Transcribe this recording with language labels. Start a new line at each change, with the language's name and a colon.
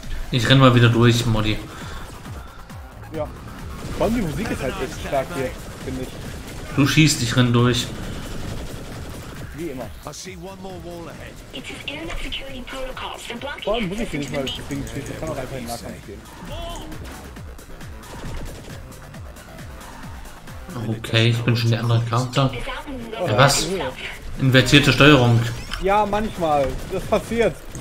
German: Ich renn mal wieder durch, Modi. Ja. Vor allem die Musik ist halt echt stark hier, finde ich. Du schießt, ich renn durch. Wie immer.
English: I see one more wall ahead. It's his internet security protocols. They're blocking.
German: Warum muss ich nicht mal das Ding spielen? Ich kann auch einfach in den Nahkampf gehen. Okay, ich bin schon der andere Counter. Ja, was? Invertierte Steuerung. Ja, manchmal. Das passiert.